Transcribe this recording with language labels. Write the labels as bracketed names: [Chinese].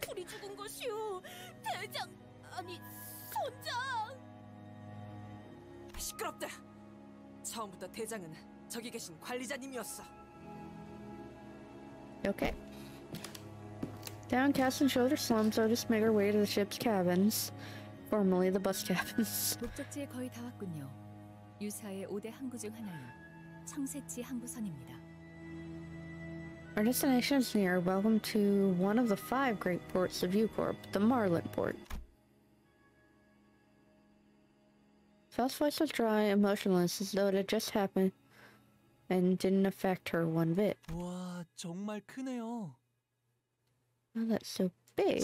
[Korean] 불이 죽은 것이오, 대장 아니 손장. 시끄럽다. 처음부터 대장은 저기 계신 관리자님이었어. [English] Okay. Downcast and shoulder slumps, Otis make her way to the ship's cabins, formerly the bus cabins. [Korean] 목적지에 거의 다 왔군요. 유사의 5대 항구 중 하나인 청새치 항구선입니다. [English] Our destination is near. Welcome to one of the five great ports of U-Corp, the Marlin port. Fel's voice was dry and motionless, as though it had just happened and didn't affect her one bit. Wow, that's so big.